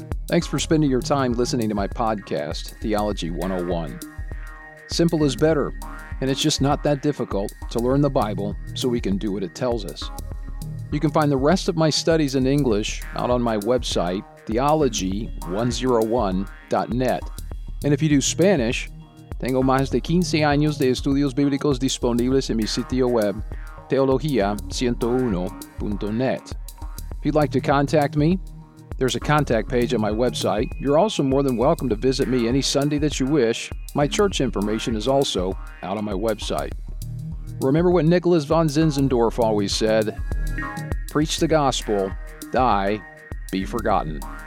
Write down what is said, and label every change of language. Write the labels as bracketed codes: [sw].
[en] Thanks for spending your time listening to my podcast, Theology 101. Simple is better, and it's just not that difficult to learn the Bible so we can do what it tells us. You can find the rest of my studies in English out on my website, theology101.net. And if you do Spanish, [es] tengo más de 15 años de estudios bíblicos disponibles en mi sitio web, teologia101.net. [en] If you'd like to contact me, there's a contact page on my website. You're also more than welcome to visit me any Sunday that you wish. My church information is also out on my website. Remember what Nicholas von Zinzendorf always said, preach the gospel, die, be forgotten.